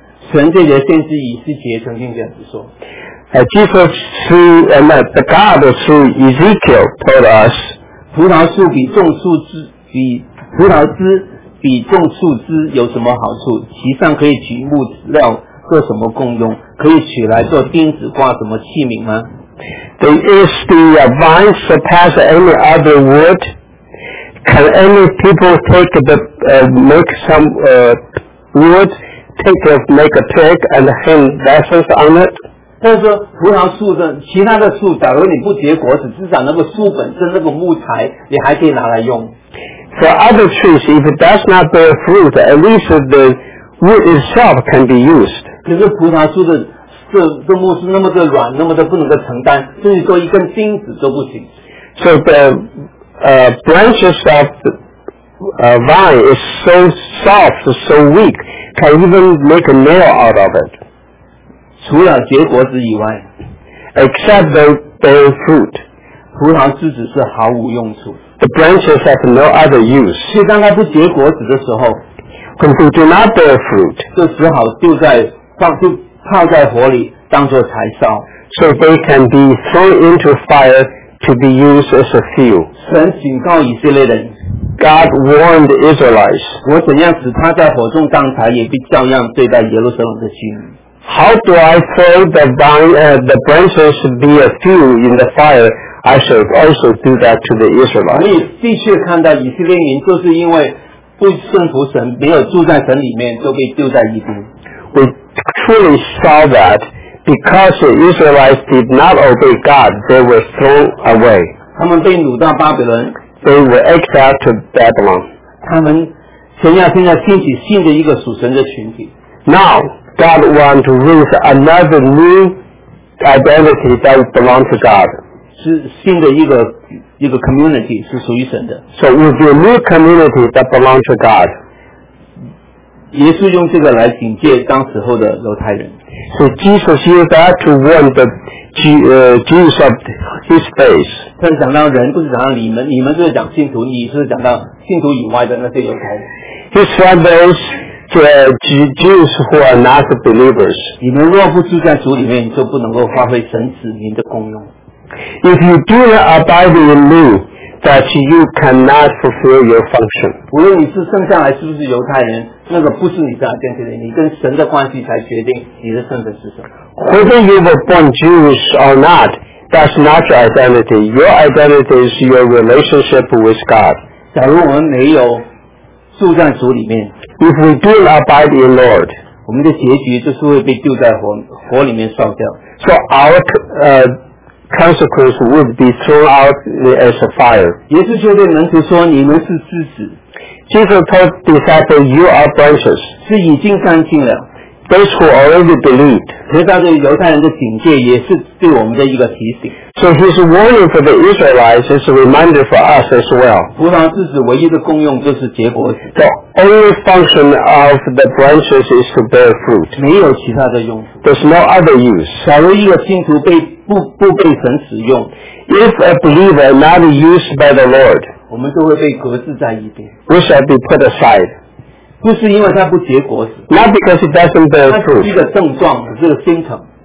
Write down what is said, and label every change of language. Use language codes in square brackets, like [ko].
[zh] 神这节先知以西结曾经这样子说。 [en] Jesus through the God through Ezekiel told us, [zh] 葡萄树比种树枝比葡萄枝比种树枝有什么好处？其上可以取木料。做什么功用？可以取来做钉子挂什么器皿吗 [en] ？The is the vine surpass any other wood? Can any people take the make some wood take a, make a peg and hang vessels on it? [zh] 他说葡萄树的其他的树，假如你不结果子，只长那个树本身那个木材，你还可以拿来用。 [en] For other trees, if it does not bear fruit, at least the wood itself can be used. [zh] 可是葡萄树的这木是那么的软，那么的不能够承担，甚至做一根钉子都不行。 [en] So the branches of vine is so soft, so weak, can even make a nail out of it. [zh] 除了结果子以外 [en] ，except the bear fruit, [zh] 葡萄枝子是毫无用处。 [en] The branches have no other use. [zh] 所以当它不结果子的时候 [en] ，when they do not bear fruit, [zh] 就只好丢在。就泡在火里当作柴烧 [en] So they can be thrown into fire to be used as a fuel. [zh] 神警告以色列人 [en] God warned Israelites. [zh] 我怎样使他在火中当柴也必照样对待耶路撒冷的居民 [en] How do I throw the vine, the branches be a fuel in the fire? I should also do that to the Israelites. [zh] 你必须看到以色列民就是因为不顺服神没有住在神里面就被丢在一边 [en] truly saw that because the Israelites did not obey God they were thrown away [zh] 他们被掳到巴比伦 [en] they were exiled to Babylon [zh] 他们神要现在兴起新的一个属神的群体 [en] now God wants to raise another new identity that belongs to God [zh] 是新的一个 community 是属于神的 [en] so it will be a new community that belongs to God [zh] 耶稣用这个来警戒当时候的犹太人 [en] So Jesus used that to warn the Jews of his days [zh] 他讲到人不是讲到你们就是讲信徒你是讲到信徒以外的那些犹太人 [en] His from those Jews who are not believers [zh] 你们若不住在主里面就不能够发挥神子民的功用 [en] If you do not abide in me that you cannot fulfill your function [zh] 无论你是生下来是不是犹太人那个不是你的 identity 你跟神的关系才决定你的身份是什么 [en] Whether you were born Jewish or not that's not your identity your identity is your relationship with God [zh] 假如我们没有住在主里面 [en] If we do not abide in Lord [zh] 我们的结局就是会被丢在 火里面烧掉 [en] So our consequence would be thrown out as a fire [zh] 耶稣就对门徒说你们是枝子 [en] Jesus told disciples, you are branches. [zh] 是已经干净了。 [en] those who already believed. [zh] 其实他对犹太人的警戒也是对我们的一个提醒。 [en] So his warning for the Israelites is a reminder for us as well. [zh] 葡萄枝子唯一的功用就是结果子。 [en] The only function of the branches is to bear fruit. [zh] 没有其他的用途。 [en] There's no other use. [zh] 假如一个信徒不被神使用 [en] ，If a believer not used by the Lord， [zh] 我们就会被隔置在一边。 [en] We shall be put aside。 [zh] 不是因为它不结果子。 [en] Not because it doesn't bear fruit。 [zh] 它是一个症状，只是心疼。